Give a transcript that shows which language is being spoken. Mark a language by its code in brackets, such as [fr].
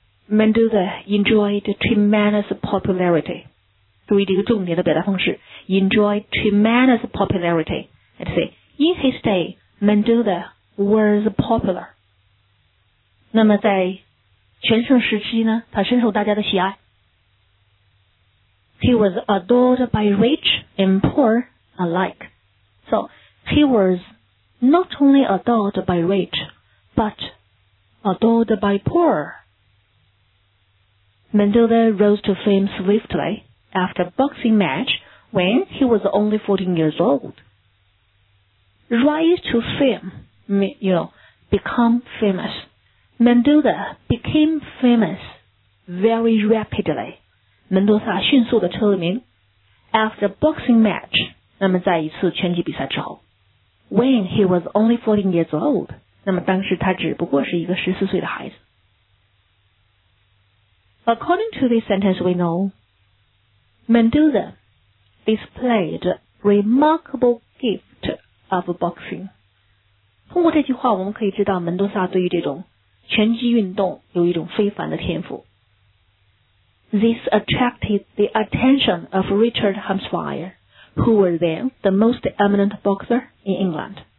[en] Mendoza enjoyed tremendous popularity. [zh] 注意这个重点的表达方式 [en] enjoyed tremendous popularity. Let's say, in his day, Mendoza was popular. [zh] 那么在全盛时期呢，他深受大家的喜爱。 [en] He was adored by rich and poor alike. So, he was not only adored by rich, but adored by poor. Mendoza rose to fame swiftly after a boxing match when he was only 14 years old. Rise to fame, you know, become famous. Mendoza became famous very rapidly. [zh] Mendoza 迅速地成名 [en] after a boxing match, [zh] 那么在一次拳击比赛之后 [en] when he was only 14 years old, [zh] 那么当时他只不过是一个14岁的孩子。 [en] According to this sentence we know, Mendoza displayed remarkable gift of boxing. [zh] 通过这句话我们可以知道门多萨对于这种拳击运动有一种非凡的天赋。 [en] This attracted the attention of Richard Hampshire, who was then the most eminent boxer in England.